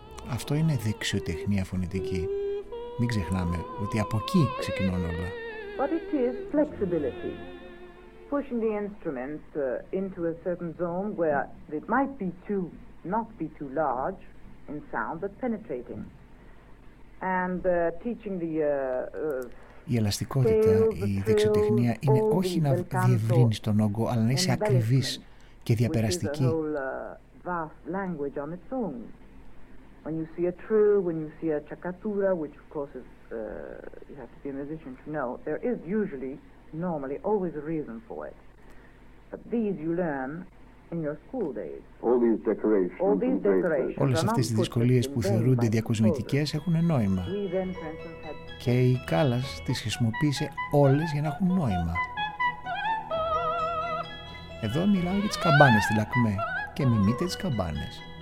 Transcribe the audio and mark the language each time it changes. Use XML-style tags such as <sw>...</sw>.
<el>Αυτό είναι δεξιοτεχνία φωνητική. Μην ξεχνάμε ότι από εκεί ξεκινούν όλα.</el> <en>But it is flexibility. Pushing the instrument into a certain zone where it might be too, not be too large in sound, but penetrating. And teaching the</en> <el>Η ελαστικότητα, η δεξιοτεχνία είναι όχι να διευρύνεις τον όγκο, αλλά να είσαι ακριβής και διαπεραστική.</el> <en>Which is a whole vast language on its own. When you see a trill, when you see a chakatura, which of course is, you have to be a musician to know, there is usually, normally, always a reason for it. But these you learn in your school days. All these decorations. All these decorations.</en> <el>Όλες αυτές τις δυσκολίες που θεωρούνται διακοσμητικές έχουν νόημα. Και η Κάλλας τις χρησιμοποίησε όλες για να έχουν νόημα. Εδώ μιλάω για τις καμπάνες στη Λακμέ και μιμείτε τις καμπάνες.</el>